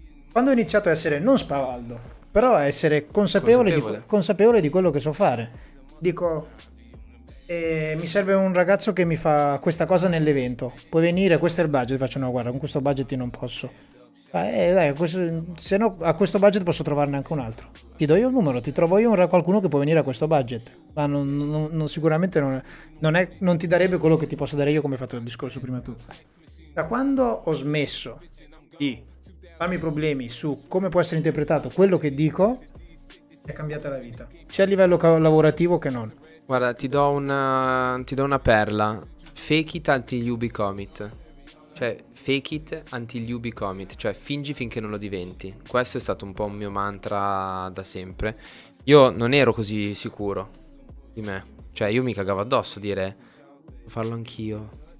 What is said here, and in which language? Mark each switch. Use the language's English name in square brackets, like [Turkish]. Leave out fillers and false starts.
[Italian] Quando ho iniziato a essere non spavaldo, però a essere consapevole di quello che so fare, dico mi serve un ragazzo che mi fa questa cosa nell'evento, puoi venire, questo è il budget, faccio no guarda con questo budget io non posso, dai, se no a questo budget posso trovarne anche un altro, ti do io il numero, ti trovo io qualcuno che può venire a questo budget, ma non sicuramente non ti darebbe quello che ti posso dare io, come hai fatto il discorso prima tu. Da quando ho smesso di farmi problemi su come può essere interpretato quello che dico, è cambiata la vita, sia a livello lavorativo che non. Guarda, ti do una perla. [English] Fake it until you become it. Cioè, fake it until you become it. [Italian] Cioè, fingi finché non lo diventi. Questo è stato un po' un mio mantra da sempre. Io non ero così sicuro di me. Cioè, io mi cagavo addosso a dire farlo anch'io.